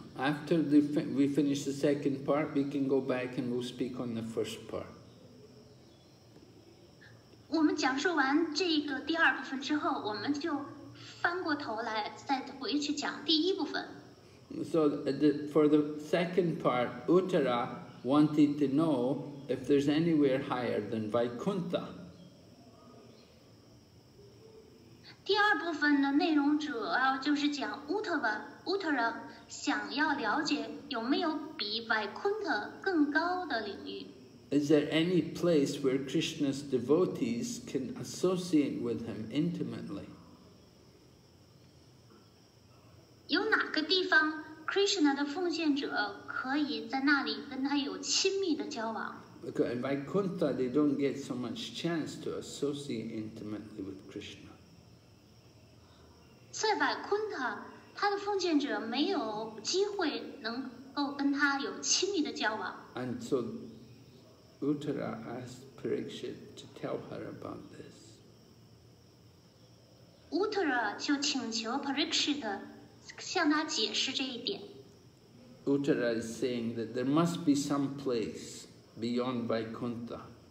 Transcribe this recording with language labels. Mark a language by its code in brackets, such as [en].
[en] after we finish the second part, we can go back and we'll speak on the first part. [zh] 我们讲述完这个第二部分之后，我们就翻过头来再回去讲第一部分。 [en] So for the second part, Uttara wanted to know if there's anywhere higher than Vaikuntha. [zh] 第二部分的内容主要就是讲乌特瓦，乌特瓦想要了解有没有比瓦昆特更高的领域。 [en] Is there any place where Krishna's devotees can associate with him intimately? [zh] 有哪个地方 Krishna的奉献者可以在那里跟他有亲密的交往？ [en] Because in Vaikuntha, they don't get so much chance to associate intimately with Krishna. [zh] 在百昆特，他的奉献者没有机会能够跟他有亲密的交往。 [en] And so Uttara asked Parikshit to tell her about this. [zh] Uttara 就请求 Parikshit 向他解释这一点。 [en] Uttara is saying that there must be some place beyond Vaikuntha.